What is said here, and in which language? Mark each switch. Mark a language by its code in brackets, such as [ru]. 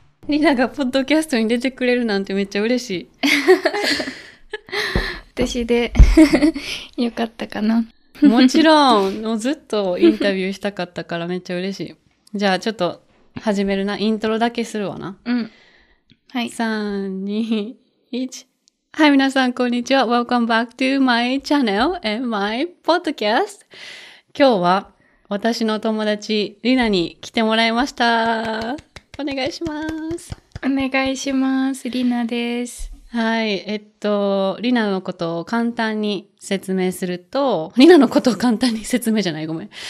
[ja] リナがポッドキャストに出てくれるなんてめっちゃ嬉しい。私でよかったかな。もちろん、もうずっとインタビューしたかったからめっちゃ嬉しい。じゃあちょっと始めるな。イントロだけするわな。うん。はい。 3、2、1。はい、皆さんこんにちは。 [en] Welcome back to my channel and my podcast. [ja] 今日は私の友達、リナに来てもらいました。お願いします。お願いします。リナです。はい、リナのことを簡単に説明すると、リナのことを簡単に説明じゃない、ごめん、